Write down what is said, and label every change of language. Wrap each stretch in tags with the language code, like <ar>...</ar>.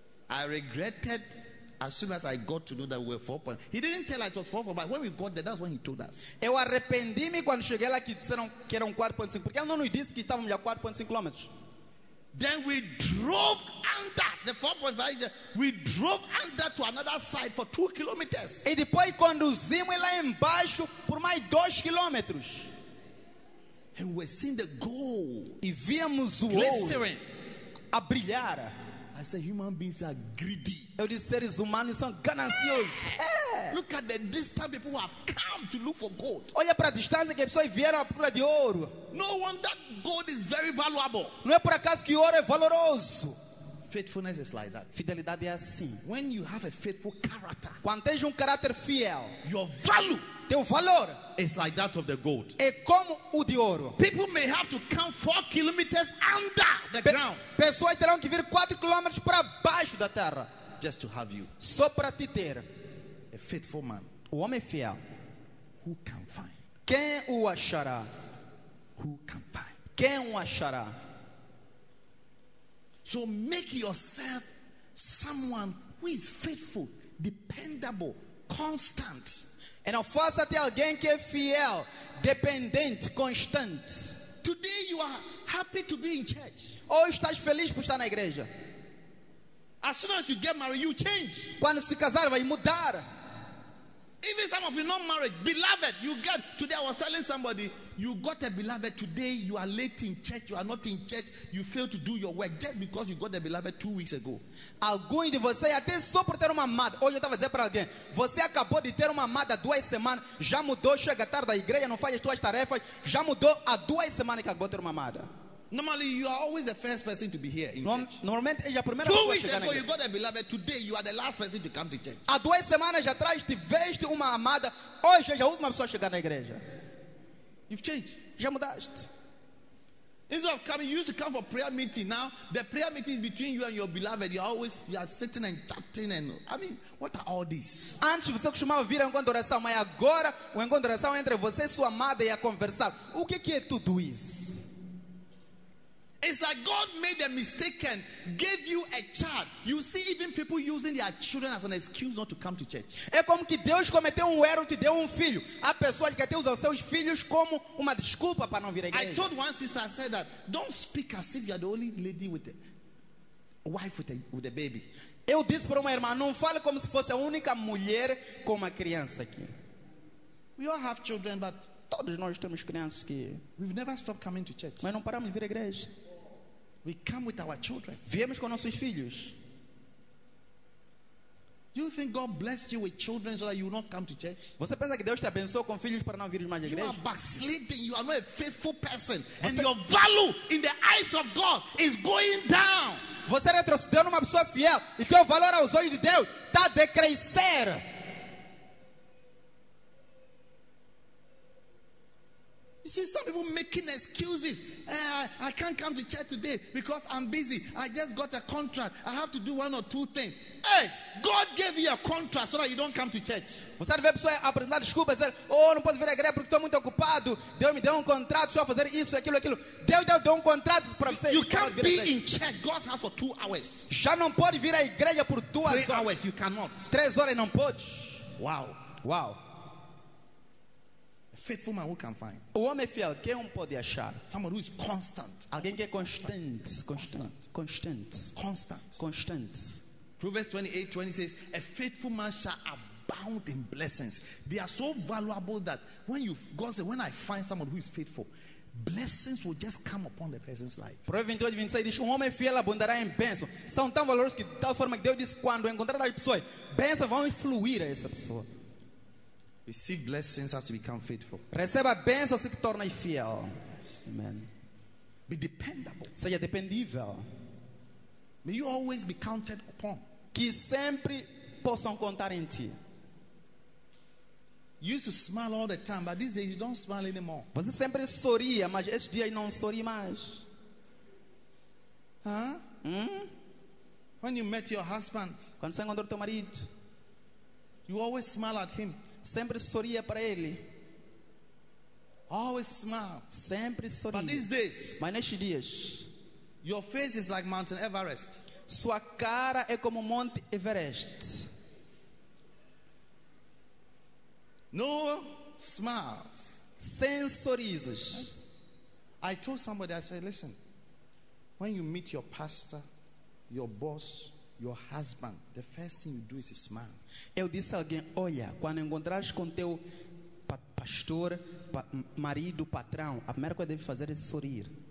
<en>I regretted as soon as I got to know that we were 4 points. He didn't tell us it was 4 points, but when we got there, that's when he told us.</en> <pt>Eu arrependi-me quando cheguei lá que disseram que eram 4.5, porque ele não nos disse que estávamos a 4.5 quilômetros.</pt> <en>Then we drove under the 4.5. We drove under to another side for 2 kilometers.</en> <pt>E depois conduzimos lá embaixo por mais 2 quilômetros.</pt> <en>And we seen the gold.</en> <pt>E víamos o ouro a brilhar.</pt> <en>I said, human beings are greedy.</en> <pt>Eu disse, seres humanos são gananciosos.</pt> <en>Look at the distance people have come to look for gold.</en> <pt>Olha para a distância que as pessoas vieram à procura de ouro.</pt> <en>No wonder gold is very valuable.</en> <pt>Não é por acaso que ouro é valoroso.</pt> <en>Faithfulness is like that.</en> <pt>Fidelidade é assim.</pt> <en>When you have a faithful character,</en> <pt>quando tens caráter fiel,</pt> <en>your value,</en> <pt>teu valor,</pt> <en>is like that of the gold.</en> <pt>É como o de ouro.</pt> <en>People may have to come 4 kilometers under the ground.</en> <pt>Pessoas terão que vir 4 quilômetros para baixo da terra.</pt> <en>Just to have you.</en> <pt>Só para te ter.</pt> <en>A faithful man.</en> <pt>O homem fiel.</pt> <en>Who can find?</en> <pt>Quem o achará?</pt> <en>Who can find?</en> <pt>Quem o achará?</pt> <en>So make yourself someone who is faithful, dependable, constant.</en> <pt>E não faça até alguém que é fiel, dependente, constant.</pt> <en>Today you are happy to be in church.</en> <pt>Hoje estás feliz por estar na igreja.</pt> <en>As soon as you get married, you change.</en> <pt>Quando se casar, vai mudar.</pt> <en>Even some of you not married, beloved, you get. Today I was telling somebody, you got a beloved. Today you are late in church. You are not in church. You fail to do your work just because you got a beloved 2 weeks ago.</en> <pt>Alguns de vocês até só por ter uma amada. Hoje eu estava dizendo para alguém, você acabou de ter uma amada 2 semanas, já mudou, chega tarde da igreja, não faz as tuas tarefas, já mudou há 2 semanas que acabou de ter uma amada.</pt> <en>Normally, you are always the first person to be here in church.</en> <pt>Normalmente, é a primeira</pt> <en>2 weeks ago, you got a beloved. Today, you are the last person to come to church.</en> <pt>Há 2 semanas atrás, tiveste uma amada. Hoje, é a última pessoa a chegar na igreja.</pt> <en>You've changed.</en> <pt>Já mudaste.</pt> <en>Instead of coming, you used to come for prayer meeting. Now, the prayer meeting is between you and your beloved. You are sitting and chatting. And I mean, what are all this?</en> <pt>Antes, você costumava vir ao encontro de oração, mas agora, o encontro de oração entre você e sua amada e a conversar. O que é tudo isso?</pt> <en>It's like God made a mistake and gave you a child. You see even people using their children as an excuse not to come to church.</en> <pt>É como que Deus cometeu erro e te deu filho. Há pessoas que até usam seus filhos como uma desculpa para não vir à igreja.</pt> <en>I told one sister, I said that, don't speak as if you are the only lady with a wife with a baby.</en> <pt>Eu disse para uma irmã, não fale como se fosse a única mulher com uma criança aqui.</pt> <en>We all have children, but</en> <pt>todos nós temos crianças que</pt> <en>we've never stopped coming to church.</en> <pt>Mas não paramos de vir à igreja.</pt> <en>We come with our children.</en> <pt>Viemos com nossos filhos.</pt> <en>Do you think God blessed you with children so that you will not come to church?</en> <pt>Você pensa que Deus te abençoou com filhos para não vir mais à igreja?</pt> <en>You are backsliding. You are not a faithful person, and your value in the eyes of God is going down.</en> <pt>Você retrocedeu numa pessoa fiel e teu valor aos olhos de Deus está a decrescer.</pt> <en>You see some people making excuses. I can't come to church today because I'm busy. I just got a contract. I have to do one or two things. Hey, God gave you a contract so that you don't come to church.</en> <pt>Você vê pessoas apresentando desculpas, dizer, oh, não posso vir à igreja porque estou muito ocupado. Deus me deu contrato só fazer isso, aquilo. Deus deu contrato para você.</pt> <en>You can't be in church. God's house for 2 hours.</en> <pt>Já não pode vir à igreja por 2 horas.</pt> <en>3 hours, you cannot.</en> <pt>3 horas não pode.</pt> <en>Wow. Faithful man, who can find?</en> <pt>O homem fiel, quem pode achar?</pt> <en>Someone who is constant.</en> <pt>Alguém que é constant.</pt> <en>Proverbs 28:20 says, a faithful man shall abound in blessings. They are so valuable that when I find someone who is faithful, blessings will just come upon the person's life.</en> <pt>Proverbs 28:20 diz, um homem fiel abundará em bênçãos. São tão valorosos que tal forma que Deus diz, quando encontrar a pessoa, bênçãos vão fluir a essa pessoa.</pt> <en>Receive blessings as to become faithful.</en> <pt>Receba bênçãos se torna fiel.</pt> <en>Yes. Amen. Be dependable.</en> <pt>Seja dependível.</pt> <en>May you always be counted upon.</en> <pt>Que sempre possam contar em ti.</pt> <en>You used to smile all the time, but these days you don't smile anymore.</en> <pt>Você sempre sorria, mas este dia não sorri mais.</pt> <en>When you met your husband,</en> <pt>quando você encontrou teu marido,</pt> <en>you always smile at him.</en> <pt>Sempre sorria para ele.</pt> <en>Always smile.</en> <pt>Sempre sorria.</pt> <en>But these days,</en> <pt>mas nestes dias,</pt> <en>your face is like Mount Everest.</en> <pt>Sua cara é como Monte Everest.</pt> <en>No smiles.</en> <pt>Sem sorrisos.</pt> <en>I told somebody, I said, listen, when you meet your pastor, your boss, your husband, the first thing you do is a smile.</en> <pt>Eu disse a alguém, olha, quando encontrares com teu pastor, marido, patrão, a primeira coisa que deve fazer é sorrir.</pt>